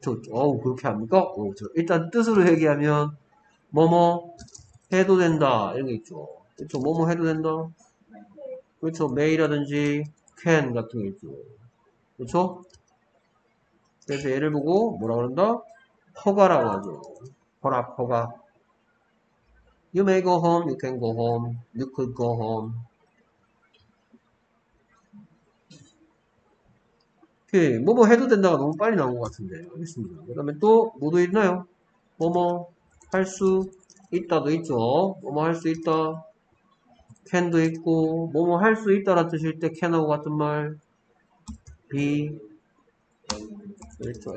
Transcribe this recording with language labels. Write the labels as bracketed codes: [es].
[ko] 어우 그렇게 합니까? 일단 뜻으로 얘기하면 뭐뭐 해도 된다 이런 게 있죠. 그렇죠? 뭐뭐 해도 된다. 그렇죠. may라든지 can 같은 게 있죠. 그렇죠? 그래서 예를 보고 뭐라 그런다? 허가라고 하죠. 허락, 허가. [en] You may go home, you can go home, you could go home. [ko] 오케이. 뭐뭐 해도 된다가 너무 빨리 나온 것 같은데. 알겠습니다. 그 다음에 또, 뭐도 있나요? 뭐뭐 할수 있다도 있죠. 뭐뭐 할수 있다. can도 있고 뭐뭐 할수 있다라는 뜻일 때 can하고 같은 말 be 그렇죠.